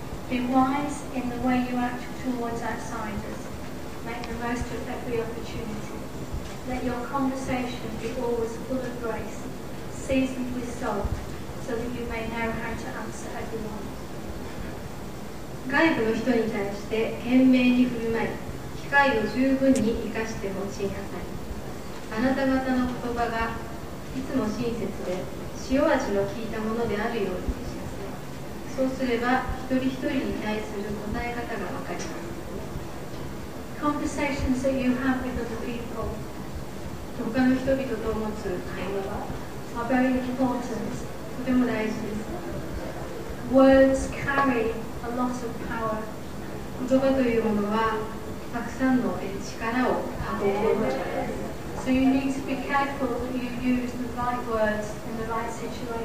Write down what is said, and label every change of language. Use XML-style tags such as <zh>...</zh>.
<en>Be wise in the way you act towards outsiders. Make the most of every opportunity. Let your conversation be always full of grace, seasoned with salt, so that you may know how to answer everyone.</en> <ja>外部の人に対して賢明に振る舞い、機会を十分に生かして用いなさい。あなた方の言葉がいつも親切で塩味の効いたものであるようにしなさい。そうすれば一人一人に対する答え方がわかります。</ja> <en>Conversations that you have with other people</en> <ja>他の人々と持つ会話は</ja> <en>are very important</en> <ja>とても大事です。</ja> <en>Words carry a lot of power</en> <ja>言葉というものはたくさんの力を運ぶものです。</ja> <en>So you need to be careful that you use the right words in the right situation.</en>